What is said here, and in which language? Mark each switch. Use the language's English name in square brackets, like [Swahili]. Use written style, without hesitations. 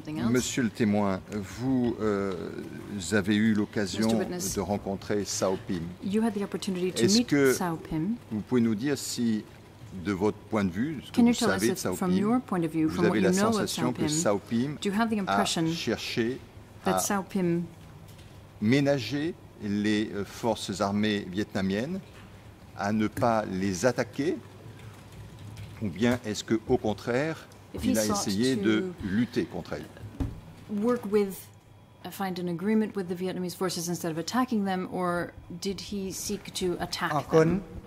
[French] Monsieur le témoin, vous avez eu l'occasion de rencontrer Sao Pim. [English] You had the opportunity to meet Sao Pim. [French] Vous pouvez nous dire si, de votre point de vue, ce que vous savez de Sao Pim, vous avez la sensation que Sao Pim a cherché [English] that Sao Pim [French] ménager les forces armées vietnamiennes à ne pas les attaquer, ou bien est-ce que au contraire il a essayé de lutter contre elles? [English] Work with, find an agreement with the Vietnamese forces instead of attacking them, or did he seek to attack them?